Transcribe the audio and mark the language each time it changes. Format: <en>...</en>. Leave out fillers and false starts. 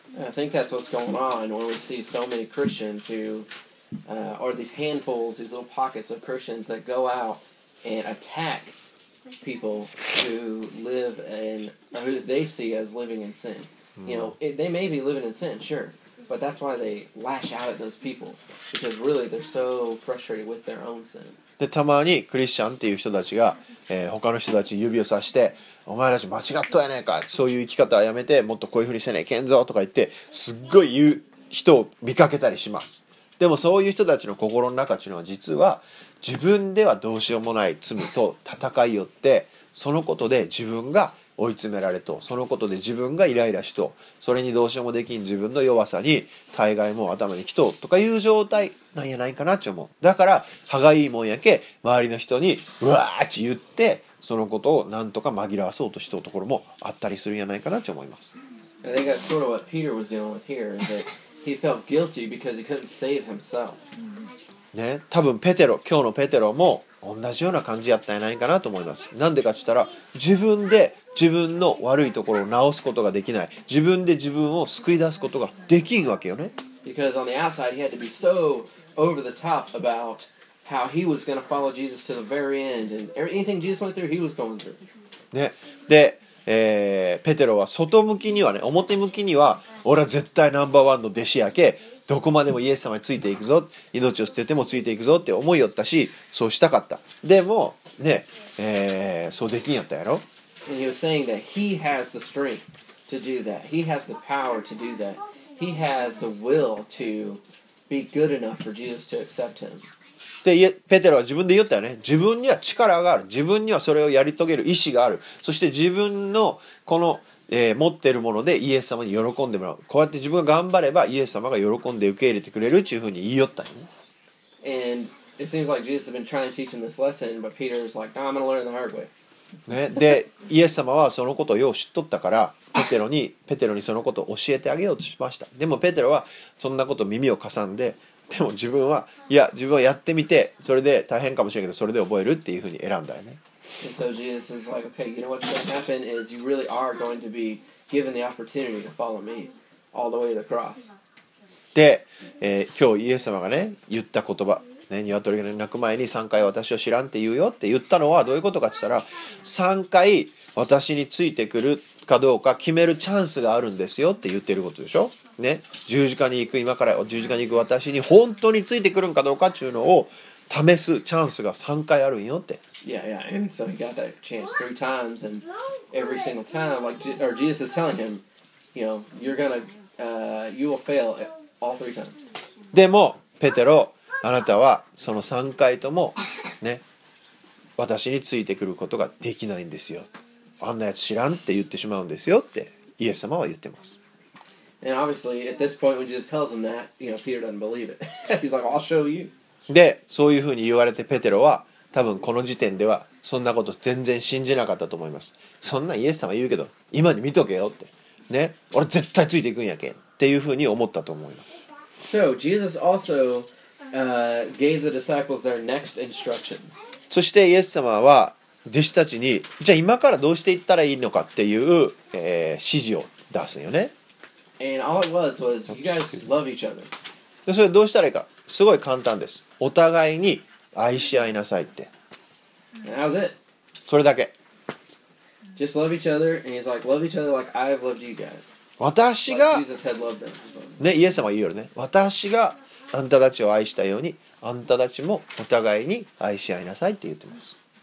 <en>I think that's what's going on when we see so many Christians who are these handfuls, these little pockets of Christians that go out and attack people who live in, who they see as living in sin. You know, they may be living in sin, sure, but that's why they lash out at those people because really they're so frustrated with their own sin.</en> <ja>で、たまにクリスチャンっていう人たちが、他の人たちに指をさしてお前たち間違っとやねんか、そういう生き方はやめてもっとこういうふうにせねえけんぞとか言ってすっごい言う人を見かけたりします。でもそういう人たちの心の中っていうのは実は自分ではどうしようもない罪と戦いよってそのことで自分が追い詰められとそのことで自分がイライラしとそれにどうしようもできん自分の弱さに大概も頭にきととかいう状態なんやないかなって思う。だから歯がいいもんやけ周りの人にうわーって言ってそのことをなんとか紛らわそうとしているところもあったりするんじゃないかなと思います。</ja> <en>I think that's sort of what Peter was dealing with here, is that he felt guilty because he couldn't save himself.</en> <ja>ね、多分ペテロ、今日のペテロも同じような感じやったんじゃないかなと思います。なんでかって言ったら、自分で自分の悪いところを直すことができない。自分で自分を救い出すことができんわけよね。</ja> <en>Because on the outside he had to be so over the top about... How he was going to follow Jesus to the very end. And anything Jesus went through, he was going through.</en> <ja>ね。で、ペテロは外向きにはね、表向きには、俺は絶対ナンバーワンの弟子やけ、どこまでもイエス様についていくぞ、命を捨ててもついていくぞって思いよったし、そうしたかった。でも、ね、そうできんやったやろ。</ja> <en>And he was saying that he has the strength to do that. He has the power to do that. He has the will to be good enough for Jesus to accept him.</en> <ja>でペテロは自分で言ったよね、自分には力がある、自分にはそれをやり遂げる意志がある、そして自分のこの、持っているものでイエス様に喜んでもらう、こうやって自分が頑張ればイエス様が喜んで受け入れてくれるっていうふうに言いよったよね。</ja> <en>And it seems like Jesus has been trying to teach him this lesson, but Peter is like, I'm going to learn the hard way.、</en> <ja>ね、でイエス様はそのことをよう知っとったからペテロにそのことを教えてあげようとしました。でもペテロはそんなこと耳を貸さんででも自分は、いや、自分はやってみて、それで大変かもしれないけど、それで覚えるっていうふうに選んだよね。</ja> <en>And so Jesus is like, okay, you know what's going to happen is you really are going to be given the opportunity to follow me all the way to the cross.</en> <ja>で、今日イエス様がね、言った言葉。ね、鶏が鳴く前に3回私を知らんって言うよって言ったのはどういうことかって言ったら、3回私についてくるかどうか決めるチャンスがあるんですよって言ってることでしょ、ね、十字架に行く、今から十字架に行く私に本当についてくるんかどうかっていうのを試すチャンスが3回あるんよって。</ja> <en>Yeah, yeah, and so he got that chance three times and every single time like, or Jesus is telling him, you know, you're gonna, you will fail all three times.</en> <ja>でもペテロ、あなたはその3回ともね、私についてくることができないんですよ。あんなやつ知らんって言ってしまうんですよってイエス様は言ってます。</ja> <en>And obviously at this point when Jesus tells him that, you know, Peter doesn't believe it. He's like, I'll show you.</en> <ja>で、そういうふうに言われてペテロは多分この時点ではそんなこと全然信じなかったと思います。そんなイエス様言うけど、今に見とけよって。ね、俺絶対ついていくんやけんっていうふうに思ったと思います。</ja> <en>So Jesus also gave the disciples their next instructions.</en> <ja>そしてイエス様は弟子たちに、じゃあ今からどうしていったらいいのかっていう、指示を出すよね。</ja> <en>And all it was you guys love each other.</en> <ja>で、それどうしたらいいか、すごい簡単です。お互いに愛し合いなさいって。</ja> <en>And that was it.</en> <ja>それだけ。</ja> <en>Just love each other, and he's like, love each other like I've loved you guys.</en> <ja>私が、</ja> <en>like、Jesus had loved them.</en> <ja>ね、イエス様は言うよね。私があんたたちを愛したようにあんたたちもお互いに愛し合いなさいって言ってます。</ja>